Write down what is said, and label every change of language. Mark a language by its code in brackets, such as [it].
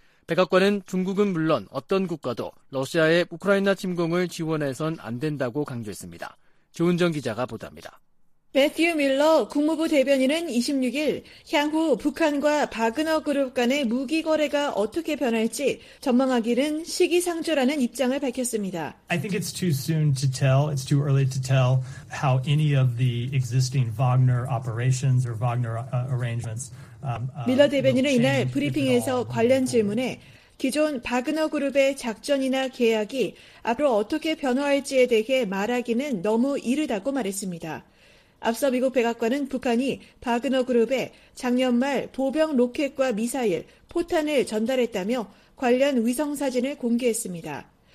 [ko] 백악관은 중국은 물론 어떤 국가도 러시아의 우크라이나 침공을 지원해선 안 된다고 강조했습니다. 조은정 기자가 보도합니다. 매튜 밀러 국무부 대변인은 26일 향후 북한과 바그너 그룹 간의 무기 거래가 어떻게 변할지 전망하기는 시기상조라는 입장을 밝혔습니다. [en] I think it's too soon to tell. It's too early to tell how any of the existing Wagner operations or Wagner arrangements. [ko] 밀러 대변인은 이날 브리핑에서 관련 질문에 기존 바그너 그룹의 작전이나 계약이 앞으로 어떻게 변화할지에 대해 말하기는 너무 이르다고 말했습니다. 앞서 미국 백악관은 북한이 바그너 그룹에 작년 말 보병 로켓과 미사일, 포탄을 전달했다며 관련 위성 사진을 공개했습니다.